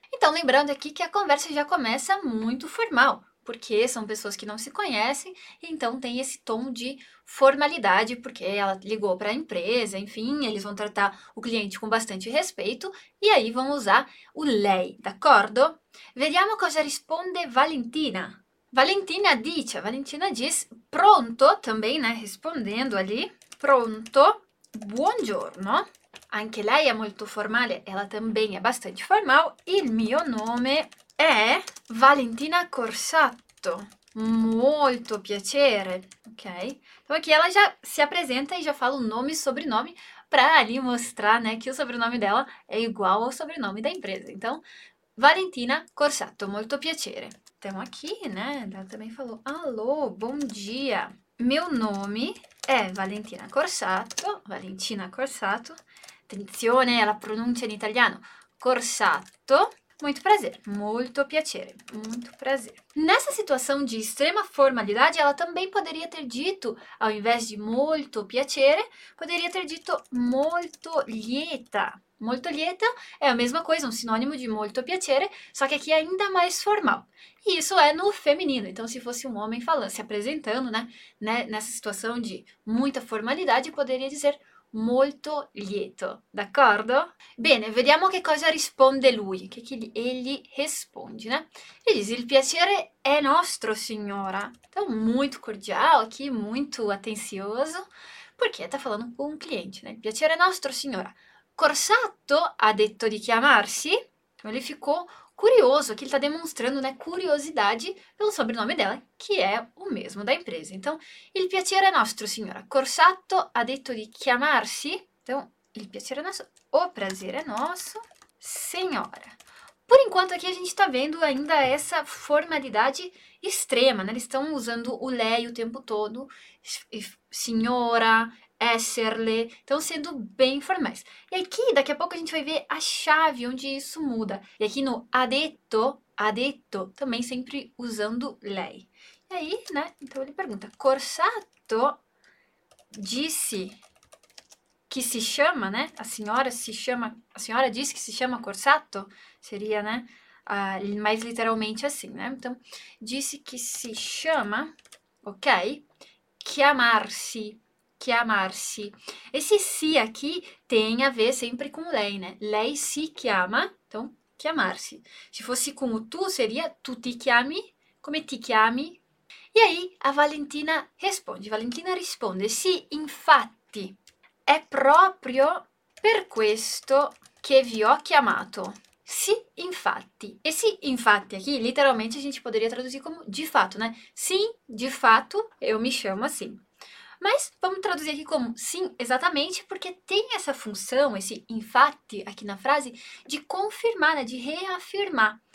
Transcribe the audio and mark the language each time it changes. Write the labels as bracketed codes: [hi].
[pt] Então, lembrando aqui que a conversa já começa muito formal, porque são pessoas que não se conhecem, então tem esse tom de formalidade, porque ela ligou para a empresa, enfim, eles vão tratar o cliente com bastante respeito, e aí vão usar o lei, d'accordo? [it] Vediamo cosa risponde Valentina. [pt] Valentina diz pronto, também, né, rispondendo ali, [it] pronto, buongiorno. Anche lei è molto formale, [pt] ela também é bastante formal. [it] Il mio nome è Valentina Corsatto. Molto piacere, ok? [pt] Então aqui ela já se apresenta e já fala o nome e sobrenome para ali mostrar, né, que o sobrenome dela é igual ao sobrenome da empresa. Então, Valentina Corsatto, [it] molto piacere. [pt] Então aqui, né, ela também falou: alô, bom dia. Meu nome é Valentina Corsatto. Valentina Corsatto. [it] Attenzione alla pronuncia in italiano. Corsatto. [pt] Muito prazer, muito piacere, muito prazer. Nessa situação de extrema formalidade, ela também poderia ter dito, ao invés de [it] molto piacere, [pt] poderia ter dito [it] molto lieta. Molto lieta [pt] é a mesma coisa, um sinônimo de [it] molto piacere, [pt] só que aqui é ainda mais formal. E isso é no feminino. Então, se fosse um homem falando, se apresentando, né, nessa situação de muita formalidade, poderia dizer [it] molto lieto, [pt] d'accordo? [it] Bene, vediamo che cosa risponde lui, che egli risponde, né? [pt] Ele diz: [it] il piacere è nostro, signora. [pt] Então, muito cordial aqui, muito atencioso, perché tá falando com um cliente, né? [it] Il piacere è nostro, signora. Corsatto ha detto di chiamarsi. [pt] Então, ele ficou curioso, aqui ele tá demonstrando, né, curiosidade pelo sobrenome dela, que é o mesmo da empresa. [it] Então, il piacere nostro, signora. Corsatto ha detto di chiamarsi. [pt] Então, [it] il piacere nostro, [pt] o prazer é nosso, signora. Por enquanto, aqui a gente tá vendo ainda essa formalidade extrema, né? Eles estão usando o lei o tempo todo, signora, esserle, estão sendo bem formais. E aqui, daqui a pouco, a gente vai ver a chave onde isso muda. E aqui no ha detto, também sempre usando lei. E aí, né? Então ele pergunta: Corsatto disse que se chama, né? A senhora se chama. A senhora disse que se chama Corsatto? Seria, né? Mais literalmente assim, né? Então, disse que se chama, ok? [it] Chiamarsi. Chiamarsi. [pt] Esse si aqui tem a ver sempre com lei, né? [it] Lei si chiama, [pt] então chiamarsi. Se fosse com o tu, seria [it] tu ti chiami, come ti chiami? [pt] E aí a Valentina responde. [it] Valentina risponde: sì, infatti, è proprio per questo che vi ho chiamato. Sì, infatti. [pt] E [it] sì, infatti, [pt] aqui literalmente a gente poderia traduzir como de fato, né? Sim, de fato, eu me chamo assim. Mas vamos traduzir aqui como sim, exatamente, porque tem essa função, esse infatti aqui na frase, de confirmar, né, de reafirmar.